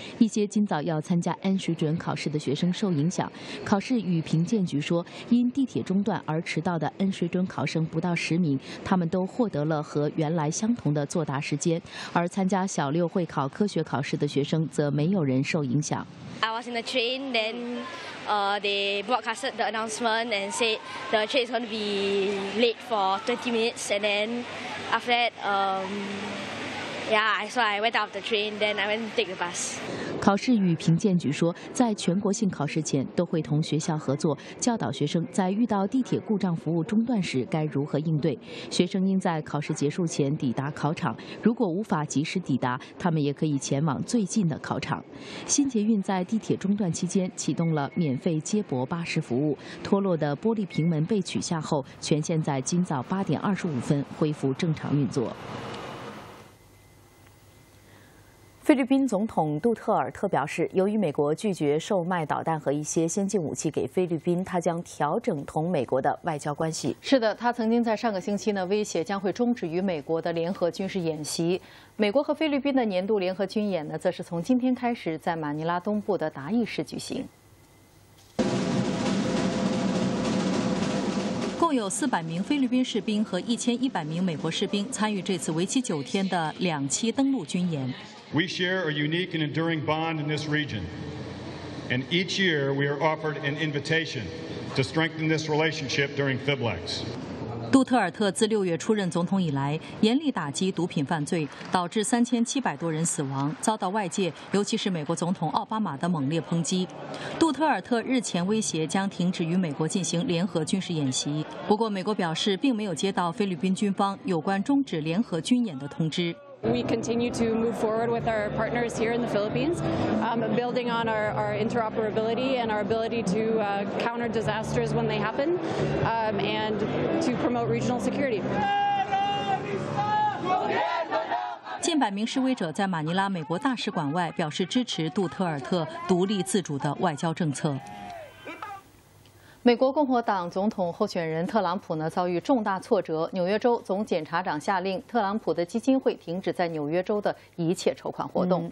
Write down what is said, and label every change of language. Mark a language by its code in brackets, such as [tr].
[zh] 一些今早要参加安水准考试的学生受影响。考试与评鉴局说，因地铁中断而迟到的安水准考生不到10名，他们都获得了和原来相同的作答时间。而参加小六会考科学考试的学生则没有人受影响。 [en] I was in the train, then. They broadcasted the announcement and said the train is going to be late for 20 minutes. And then after that, so I went out of the train, then I went to take the bus. [zh] 考试与评鉴局说，在全国性考试前都会同学校合作，教导学生在遇到地铁故障服务中断时该如何应对。学生应在考试结束前抵达考场，如果无法及时抵达，他们也可以前往最近的考场。新捷运在地铁中断期间启动了免费接驳巴士服务，脱落的玻璃平门被取下后，全线在今早8点25分恢复正常运作。菲律宾总统杜特尔特表示，由于美国拒绝售卖导弹和一些先进武器给菲律宾，他将调整同美国的外交关系。是的，他曾经在上个星期呢威胁将会终止与美国的联合军事演习。美国和菲律宾的年度联合军演呢，则是从今天开始在马尼拉东部的达义市举行。共有400名菲律宾士兵和1100名美国士兵参与这次为期9天的2期登陆军演。 [en] We share a unique and enduring bond in this region, and each year we are offered an invitation to strengthen this relationship during FIBLEX. [zh] 杜特尔特自6月出任总统以来，严厉打击毒品犯罪，导致3700多人死亡，遭到外界，尤其是美国总统奥巴马的猛烈抨击。杜特尔特日前威胁将停止与美国进行联合军事演习，不过美国表示并没有接到菲律宾军方有关终止联合军演的通知。 [en] We continue to move forward with our partners here in the Philippines, building on our interoperability and our ability to counter disasters when they happen, and to promote regional security. [zh] 近百名示威者在马尼拉美国大使馆外表示支持杜特尔特独立自主的外交政策。美国共和党总统候选人特朗普呢遭遇重大挫折。纽约州总检察长下令特朗普的基金会停止在纽约州的一切筹款活动。